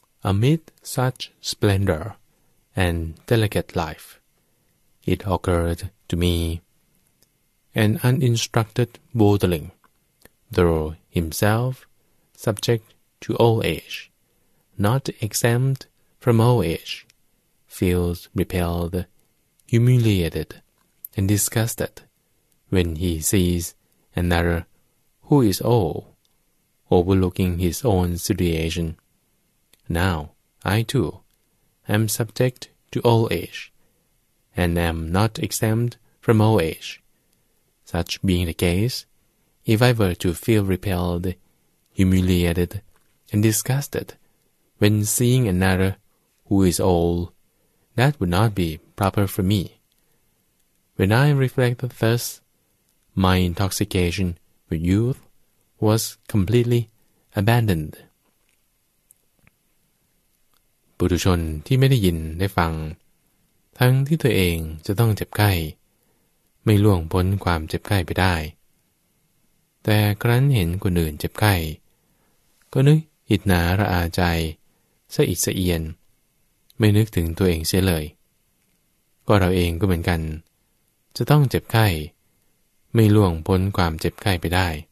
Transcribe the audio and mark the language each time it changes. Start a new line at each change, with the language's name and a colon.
English: Amid such splendor and delicate life, it occurred to me, an uninstructed worldling, though himself subject to old age, not exempt from old age, feels repelled, humiliated, and disgusted when he sees another who is old, overlooking his own situation. Now, I too am subject to old age, and am not exempt from old age. Such being the case, if I were to feel repelled, humiliated, and disgusted when seeing another who is old, that would not be proper for me. When I reflect thus, my intoxication with youth was completely abandoned.
Thai: ปุถุชนที่ไม่ได้ยินได้ฟังทั้งที่ตัวเองจะต้องเจ็บไข้ไม่ล่วงพ้นความเจ็บไข้ไปได้แต่ครั้นเห็นคนอื่นเจ็บไข้ก็นึกอิจฉาระอาใจสะอิดสะเอียนไม่นึกถึงตัวเองเสียเลยก็เราเองก็เหมือนกันจะต้องเจ็บไข้ไม่ล่วงพ้นความเจ็บไข้ไปได้